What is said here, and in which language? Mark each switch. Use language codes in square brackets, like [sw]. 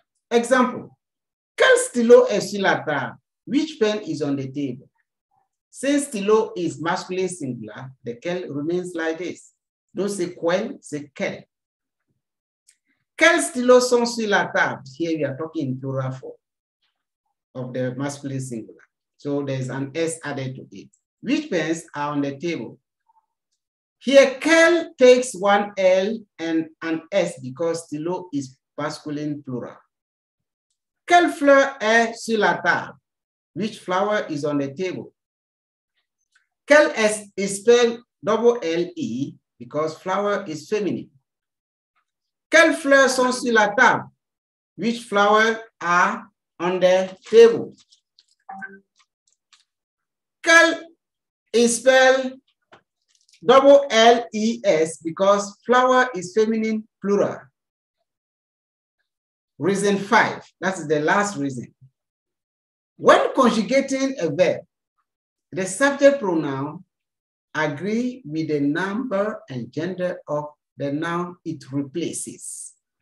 [fr] Example, quel stylo est sur la table? [en] Which pen is on the table? Since stylo is masculine singular, the quel remains like this. Don't say quel, say quel. [fr] Quel stylo sont sur la table? [en] Here we are talking in plural form of the masculine singular. So there's an S added to it. Which pens are on the table? Here, quel takes one L and an S because stylo is masculine plural. [fr] Quelle fleur est sur la table? [en] Which flower is on the table? Quel S is spelled double L-E because flower is feminine. [fr] Quelle fleur sont sur la table? [en] Which flower are on the table? Quel is spelled double L-E-S because flower is feminine plural. Reason five, that is the last reason. When conjugating a verb, the subject pronoun agree with the number and gender of the noun it replaces.